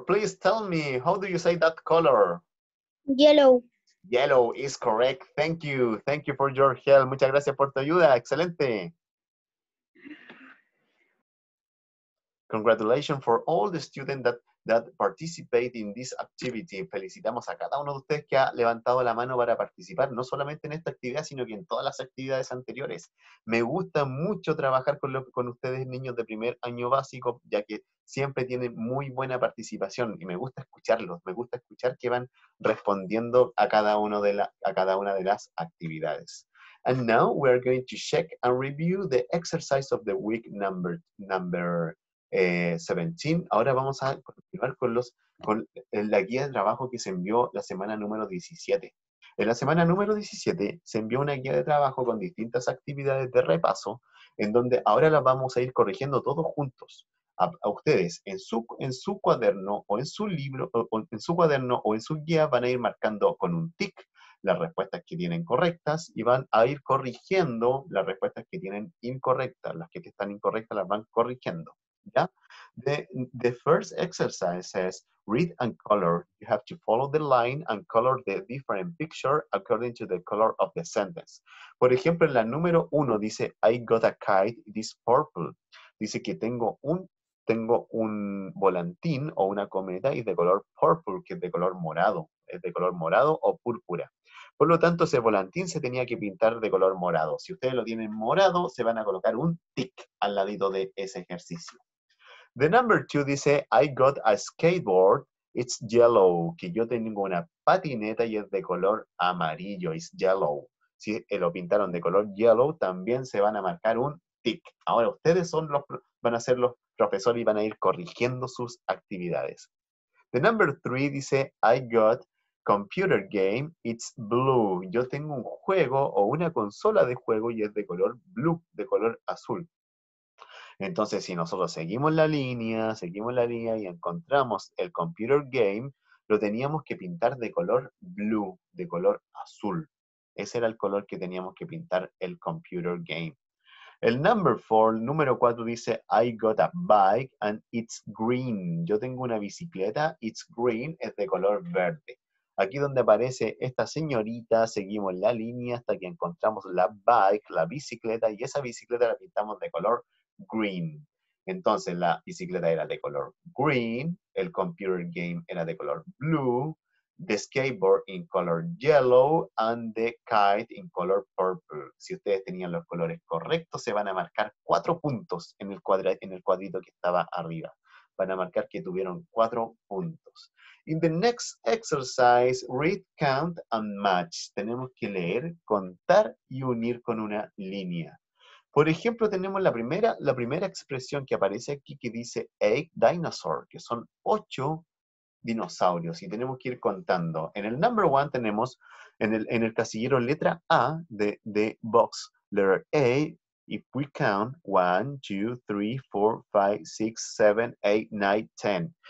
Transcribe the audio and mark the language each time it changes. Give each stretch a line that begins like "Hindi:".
English: Please tell me, how do you say that color? Yellow. Yellow is correct. Thank you. Thank you for your help.
Spanish: Muchas gracias por tu ayuda. Excelente.
English: Congratulations for all the students that participate in this activity.
Spanish: Felicitamos a cada uno de ustedes que ha levantado la mano para participar, no solamente en esta actividad, sino que en todas las actividades anteriores. Me gusta mucho trabajar con ustedes, niños de primer año básico, ya que siempre tienen muy buena participación y me gusta escucharlos, me gusta escuchar que van respondiendo a cada uno de a cada una de las actividades.
English: And now we are going to check and review the exercise of the week number 17.
Spanish: Ahora vamos a continuar con la guía de trabajo que se envió la semana número 17. En la semana número 17 se envió una guía de trabajo con distintas actividades de repaso, en donde ahora las vamos a ir corrigiendo todos juntos. A ustedes en su cuaderno o en su libro, o en su cuaderno o en su guía, van a ir marcando con un tic las respuestas que tienen correctas y van a ir corrigiendo las respuestas que tienen incorrectas. Las que están incorrectas las van corrigiendo.
English: Yeah. The first exercise says read and color. You have to follow the line and color the different picture according to the color of the sentence.
Spanish: Por ejemplo, la número uno dice
English: I got a kite, it is purple.
Spanish: Dice que tengo un volantín o una cometa y de color purple, que es de color morado. Es de color morado o púrpura. Por lo tanto, ese volantín se tenía que pintar de color morado. Si ustedes lo tienen morado, se van a colocar un tick al ladito de ese ejercicio.
English: The number two dice, I got a skateboard, it's yellow.
Spanish: Que yo tengo una patineta y es de color amarillo,
English: it's yellow.
Spanish: Si lo pintaron de color yellow, también se van a marcar un tick. Ahora ustedes van a ser los profesores y van a ir corrigiendo sus actividades.
English: The number three dice, I got computer game, it's blue.
Spanish: Yo tengo un juego o una consola de juego y es de color blue, de color azul. Entonces, si nosotros seguimos la línea y encontramos el computer game, lo teníamos que pintar de color blue, de color azul. Ese era el color que teníamos que pintar el computer game. El número 4 dice,
English: I got a bike and it's green.
Spanish: Yo tengo una bicicleta,
English: it's green,
Spanish: es de color verde. Aquí donde aparece esta señorita, seguimos la línea hasta que encontramos la bike, la bicicleta, y esa bicicleta la pintamos de color green. Entonces la bicicleta era de color green, el computer game era de color blue,
English: the skateboard in color yellow, and the kite in color purple.
Spanish: Si ustedes tenían los colores correctos, se van a marcar 4 puntos en el cuadrito que estaba arriba. Van a marcar que tuvieron 4 puntos.
English: In the next exercise, read, count, and match.
Spanish: Tenemos que leer, contar y unir con una línea. Por ejemplo, tenemos la primera expresión que aparece aquí que dice 8 dinosaur, que son 8 dinosaurios. Y tenemos que ir contando.
English: En el number one tenemos,
Spanish: en el casillero letra A de
English: box, letter A, if we count 1, 2, 3, 4, 5, 6, 7, 8, 9, 10.